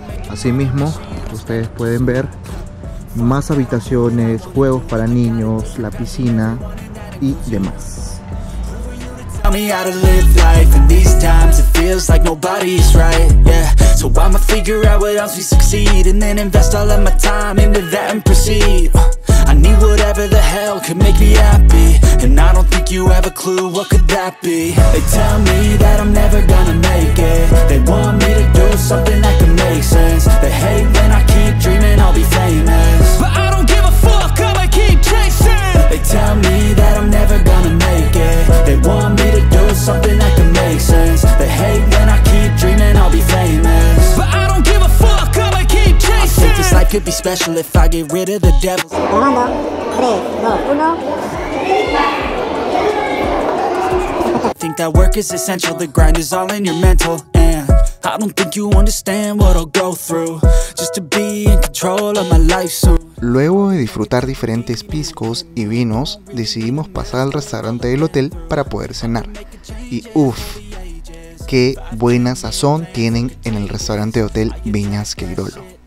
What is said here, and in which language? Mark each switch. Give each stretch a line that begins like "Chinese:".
Spanish: Asimismo, ustedes pueden ver más habitaciones, juegos para niños, la piscina y demás.
English: Tell me how to live life. In these times it feels like nobody's right. Yeah, so I'ma figure out what else we succeed. And then invest all of my time into that and proceed. I need whatever the hell could make me happy. And I don't think you have a clue what could that be. They tell me that I'm never gonna make it. They want me to do something that could make sense. They hate when I keep dreaming I'll be famous. But I don't give a fuck, I'ma keep chasing. They tell me that I'm never gonna make it. They want me to do something that can make sense. They hate when I keep dreaming I'll be famous. But I don't give a fuck, I'ma keep chasing. I think this life could be special if I get rid of the devil.
Spanish: Grabando, 3, 2, 1.
English: I think that work is essential, the grind is all in your mental. And I don't think you understand what I'll go through. Just to be in control of my life soon.
Spanish: Luego de disfrutar diferentes piscos y vinos, decidimos pasar al restaurante del hotel para poder cenar. Y uff, qué buena sazón tienen en el restaurante de Hotel Viñas Queirolo.